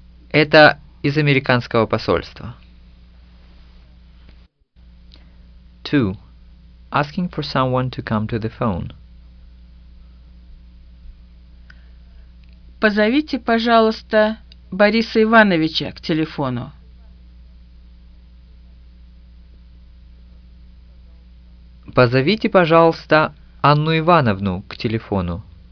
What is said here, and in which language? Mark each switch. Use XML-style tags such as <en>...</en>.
<ru>Это из американского посольства. 2.</ru> <en>Asking for someone to come to the phone.</en> <ru>Позовите, пожалуйста, Бориса Ивановича к телефону. Позовите, пожалуйста, Анну Ивановну к телефону.</ru>